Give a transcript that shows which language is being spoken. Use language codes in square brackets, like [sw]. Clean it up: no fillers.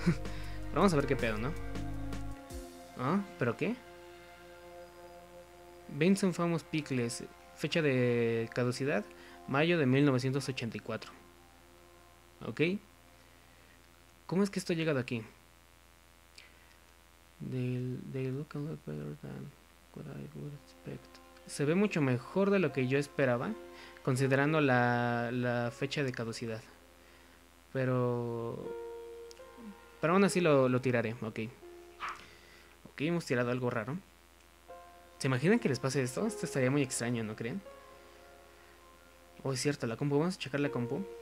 [es] Pero vamos a ver qué pedo, ¿no? ¿Ah? ¿Pero qué? Benson Famous Pickles. Fecha de caducidad: mayo de 1984. Ok. ¿Cómo es que esto ha llegado aquí? [en] They look a lot better than what I would expect. [es] Se ve mucho mejor de lo que yo esperaba, considerando la fecha de caducidad. Pero aún así lo tiraré, ok. Ok, hemos tirado algo raro. ¿Se imaginan que les pase esto? Esto estaría muy extraño, ¿no creen? Oh, es cierto, la compu. Vamos a checar la compu.